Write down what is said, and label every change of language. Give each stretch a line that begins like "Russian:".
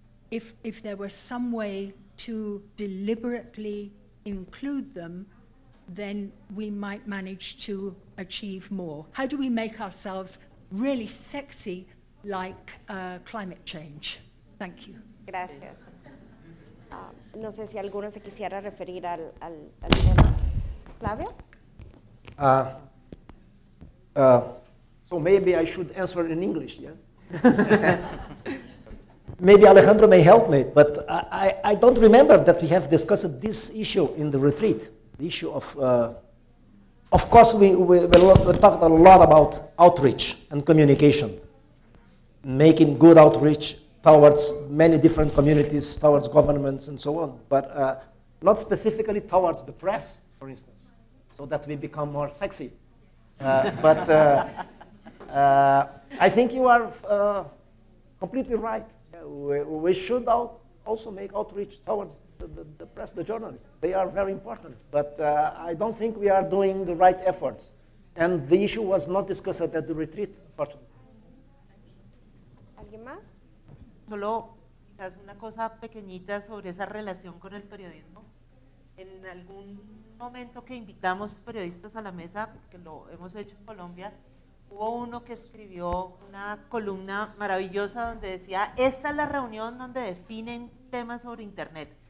English: If there were some way to deliberately include them, then we might manage to achieve more. How do we make ourselves really sexy like climate change? Thank you.
Spanish: Gracias. No sé si alguno se quisiera referir al tema. Flavio?
English: So maybe I should answer in English, yeah? Maybe Alejandro may help me, but I don't remember that we have discussed this issue in the retreat, the issue of, we talked a lot about outreach and communication, making good outreach towards many different communities, towards governments and so on, but not specifically towards the press, for instance, so that we become more sexy. I think you are completely right. We should also make outreach towards the press, the journalists. They are very important, but I don't think we are doing the right efforts. And the issue was not discussed at the retreat, unfortunately.
Spanish: ¿Alguien más? Solo quizás una cosa pequeñita sobre esa relación con el periodismo. En algún momento que invitamos periodistas a la mesa, porque lo hemos hecho en Colombia, hubo uno que escribió una columna maravillosa donde decía, esta es la reunión donde definen temas sobre internet.